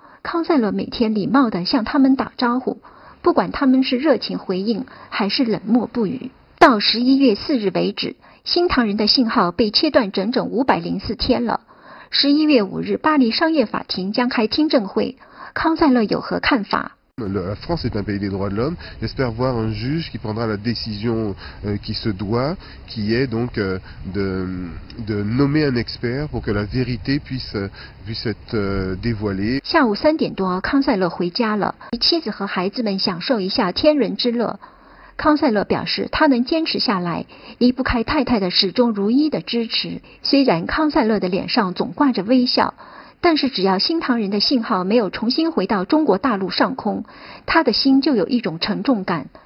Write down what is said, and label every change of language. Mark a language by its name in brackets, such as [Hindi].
[Chinese] 康塞勒每天礼貌地向他们打招呼，不管他们是热情回应还是冷漠不语。到11月4日为止，新唐人的信号被切断整整504天了。 11月5日，巴黎商业法庭将开听证会，康塞勒有何看法？ [French] La France est un pays des droits de l'homme. J'espère voir un juge qui prendra la décision qui se doit, qui est donc de nommer un expert pour que la vérité puisse être dévoilée. [Chinese] 下午三点多，康塞勒回家了，妻子和孩子们享受一下天伦之乐。康塞勒表示，他能坚持下来，离不开太太的始终如一的支持。虽然康塞勒的脸上总挂着微笑。但是只要新唐人的信号没有重新回到中国大陆上空，他的心就有一种沉重感。